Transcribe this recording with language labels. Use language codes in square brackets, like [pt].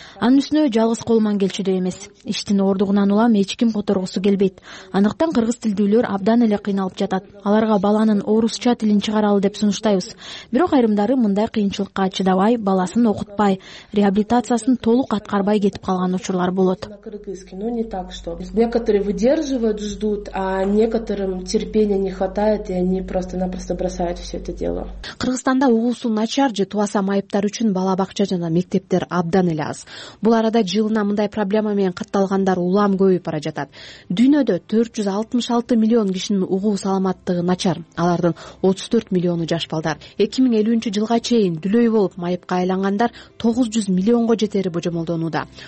[ky] Анын үстүнө жалгыз кол менен келчү да эмес. Иштин ордугунан улам эч ким которгусу келбейт. Аныктан кыргыз тилдүүлөр абдан эле кыйналып жатат. Аларга баланын орусча тилин чыгаралы деп сунуштайбыз. Бирок айрымдары мындай кыйынчылыкка чыдабай, баласын окутпай, реабилитация толук аткарбай кетип калган учурлар болот. [ru] Ну не так, что некоторые выдерживают, ждут, а некоторым терпения не хватает, и они просто-напросто бросают все это дело. [ky] Кыргызстанда угуусу начар же тубаса майыптар үчүн бала бакча жана мектептер абдан эле аз. Бул арада жылына мындай проблема менен катталгандар улам көбөйүп бара жатат. Дүйнөдө 466 миллион кишинин угуу саламаттыгы начар. Алардын 34 миллиону жаш балдар. 2050 жылга чейин дүлөй болуп майыпка айлангандар 900 миллионго жетери божомолдонууда.